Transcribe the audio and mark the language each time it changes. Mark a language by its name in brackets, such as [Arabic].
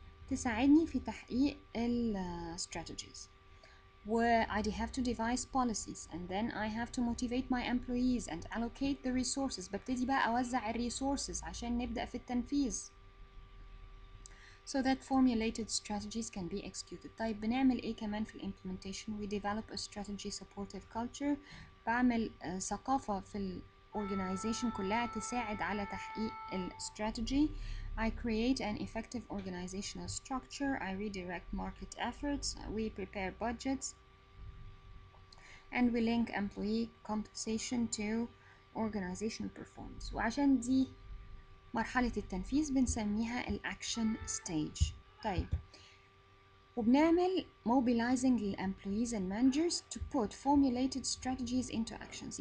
[Arabic] تساعدني في تحقيق الـ strategies. [English] Where I have to devise policies and then I have to motivate my employees and allocate the resources. [Arabic] ببتدي بقى أوزع الـ resources عشان نبدأ في التنفيذ. [English] So that formulated strategies can be executed. [Arabic] طيب بنعمل إيه كمان في الـ implementation? [English] We develop a strategy supportive culture. [Arabic] بعمل ثقافة في الـ organization كلها تساعد على تحقيق الـ strategy. [English] I create an effective organizational structure. I redirect market efforts. We prepare budgets. And we link employee compensation to organizational performance. [Arabic] وعشان دي مرحلة التنفيذ بنسميها الـ action stage. طيب. وبنعمل [English] mobilizing the employees and managers to put formulated strategies into actions.